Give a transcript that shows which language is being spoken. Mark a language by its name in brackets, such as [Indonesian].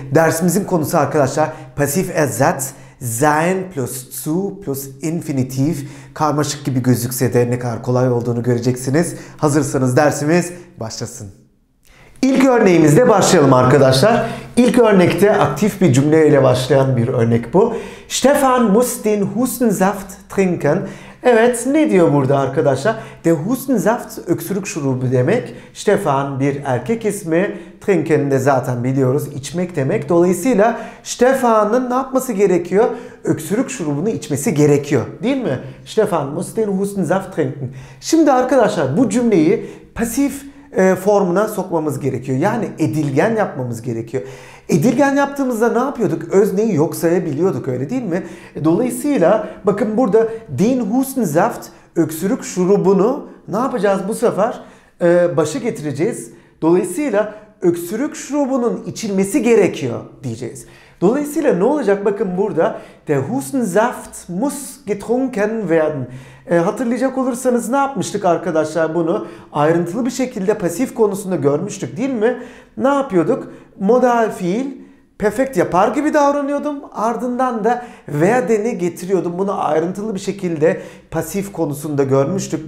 [Turkish] Dersimizin konusu arkadaşlar, pasif ersatz, sein plus zu plus infinitiv. Karmaşık gibi gözükse de ne kadar kolay olduğunu göreceksiniz. Hazırsanız dersimiz başlasın. İlk örneğimizle başlayalım arkadaşlar. İlk örnekte aktif bir cümleyle başlayan bir örnek bu. [German] Stefan muss den Hustensaft trinken. [Turkish] Evet, ne diyor burada arkadaşlar? [German] Der Hustensaft [Turkish] öksürük şurubu demek. Stefan bir erkek ismi. Trinken de zaten biliyoruz, içmek demek. Dolayısıyla Stefan'ın ne yapması gerekiyor? Öksürük şurubunu içmesi gerekiyor. Değil mi? [German] Stefan muss den Hustensaft trinken. [Turkish] Şimdi arkadaşlar bu cümleyi pasif formuna sokmamız gerekiyor. Yani edilgen yapmamız gerekiyor. Edilgen yaptığımızda ne yapıyorduk? Özneyi yok sayabiliyorduk, öyle değil mi? Dolayısıyla bakın burada [German] den Hustensaft [Turkish] öksürük şurubunu ne yapacağız bu sefer? Başa getireceğiz. Dolayısıyla öksürük şurubunun içilmesi gerekiyor diyeceğiz. Dolayısıyla ne olacak? Bakın burada [German] der Hustensaft muss getrunken werden. [Turkish] Hatırlayacak olursanız ne yapmıştık arkadaşlar bunu? Ayrıntılı bir şekilde pasif konusunda görmüştük, değil mi? Ne yapıyorduk? Modal fiil, perfekt yapar gibi davranıyordum. Ardından da werden'i getiriyordum. Bunu ayrıntılı bir şekilde pasif konusunda görmüştük.